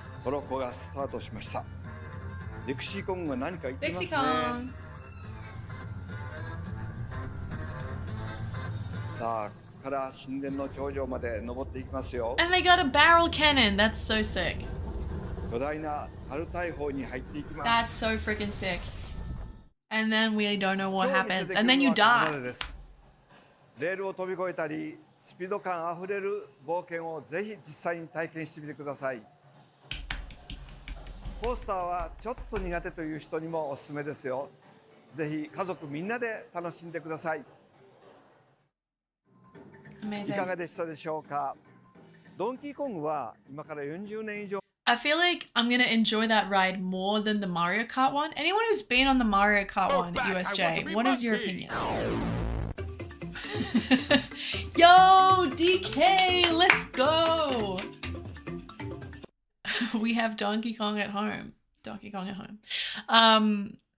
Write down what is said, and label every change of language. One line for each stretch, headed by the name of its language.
Japanese: トロッコがスタートしました。ディクシーコングが何か言ってますね。ディクシーコング。さあ、ここから神殿の頂上まで登っていきますよ。
English: And they got a barrel cannon. That's so sick.
Japanese: 巨大な樽大砲に入っていきます。
English: That's so freaking sick. And then we don't know what happens, and then you die.
Japanese: レールを飛び越えたり、スピード感あふれる冒険をぜひ実際に体験してみてください。コースターはちょっと苦手という人にもおすすめですよ。ぜひ家族みんなで楽しんでください。
English: Amazing.
Japanese: いかがでしたでしょうか。ドンキーコングは今から40年以上
English: I feel like I'm going to enjoy that ride more than the Mario Kart one. Anyone who's been on the Mario Kart one at USJ, what is your opinion? Yo, DK, let's go! We have Donkey Kong at home. Donkey Kong at home.